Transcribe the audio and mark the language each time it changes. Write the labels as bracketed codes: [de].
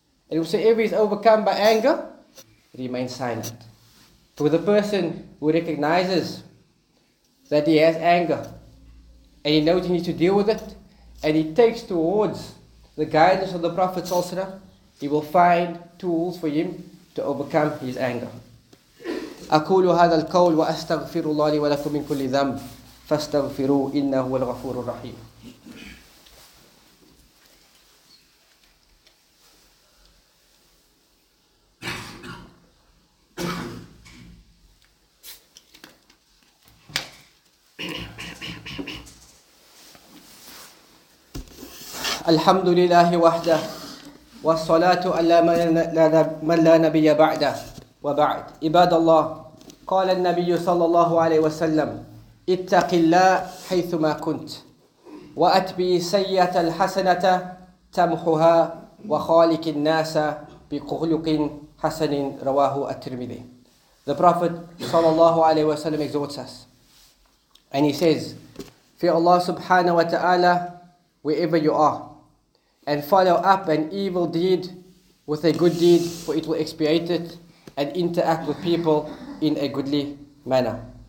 [en] And whosoever is overcome by anger, remain silent. For the person who recognizes that he has anger, and he knows he needs to deal with it, and he takes towards the guidance of the Prophet ﷺ, he will find tools for him to overcome his anger. [ar] أقول هذا القول وأستغفر الله لي ولكم من كل ذنب فاستغفروه إنه هو الغفور الرحيم. الحمد لله وحده والصلاة على من لا نبي بعده وبعد. عباد الله, قال النبي صلى الله عليه وسلم, اتق الله حيثما كنت وأتبي سيئة الحسنة تمحها وخالق الناس بخلق حسن, رواه الترمذي. [en] The Prophet صلى الله عليه وسلم exhorts us and he says, fear Allah subhanahu wa ta'ala wherever you are, and follow up an evil deed with a good deed, for it will expiate it, and interact with people in a goodly manner.